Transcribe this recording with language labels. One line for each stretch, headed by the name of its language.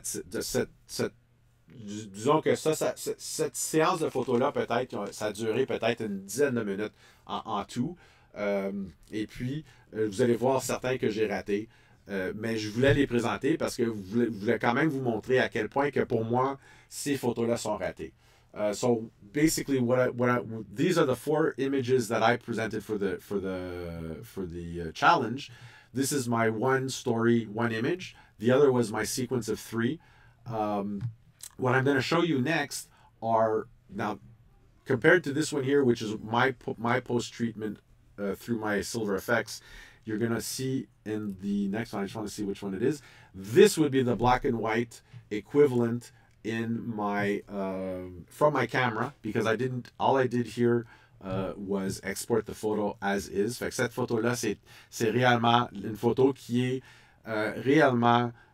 French: de cette disons que cette séance de photos-là, peut-être, ça a duré peut-être une dizaine de minutes en tout. Vous allez voir certains que j'ai ratés. Mais je voulais les présenter parce que je voulais quand même vous montrer à quel point que pour moi, ces photos-là sont ratées.
English: These are the four images that I presented for the challenge. This is my one story, one image. The other was my sequence of three. What I'm going to show you next are, now, compared to this one here, which is my post-treatment through my Silver FX, you're going to see in the next one, I just want to see which one it is. This would be the black and white equivalent in my, from my camera, because all I did here was export the photo as is.
French: Fait que cette photo-là, c'est réellement une photo qui est réellement...